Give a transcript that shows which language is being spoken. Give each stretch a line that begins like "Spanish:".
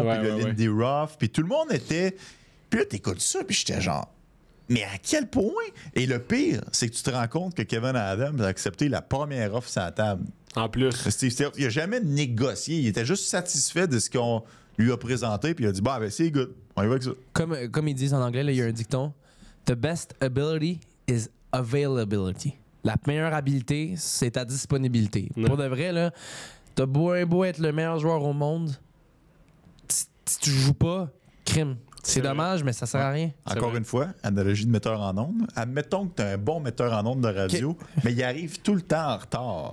French: Puis Lindy Ruff. Puis tout le monde était. Puis là, t'écoutes ça. Puis j'étais genre. Mais à quel point? Et le pire, c'est que tu te rends compte que Kevin Adams a accepté la première offre sur la table. En plus. C'est, il n'a jamais négocié. Il était juste satisfait de ce qu'on lui a présenté. Puis il a dit, bah, ben, c'est good. On y va avec ça. Comme ils disent en anglais, là, il y a un dicton.
English: The best ability is availability.
French: La meilleure habileté, c'est ta disponibilité. Ouais. Pour de vrai, là, t'as beau être le meilleur joueur au monde, si tu joues pas, crime. C'est dommage, mais ça sert à rien. Encore une fois, analogie de metteur en onde. Admettons que t'es un bon metteur en onde de radio, mais il arrive tout le temps en retard.